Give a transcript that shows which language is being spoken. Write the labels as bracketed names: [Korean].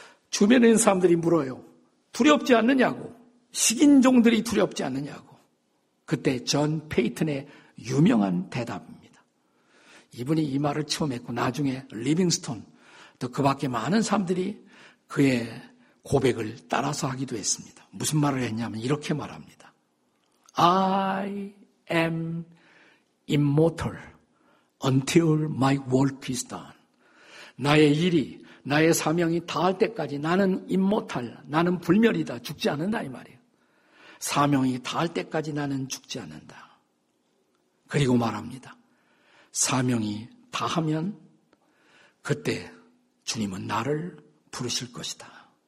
[Korean] 주변에 있는 사람들이 물어요. 두렵지 않느냐고. 식인종들이 두렵지 않느냐고. 그때 존 페이튼의 유명한 대답입니다. 이분이 이 말을 처음 했고 나중에 리빙스톤, 또 그 밖에 많은 사람들이 그의 고백을 따라서 하기도 했습니다. 무슨 말을 했냐면 이렇게 말합니다. [English] I am immortal until my work is done. [Korean] 나의 일이, 나의 사명이 다할 때까지 나는 immortal, 나는 불멸이다, 죽지 않는다 이 말이에요. 사명이 다할 때까지 나는 죽지 않는다. 그리고 말합니다. 사명이 다하면 그때 주님은 나를 부르실 것이다.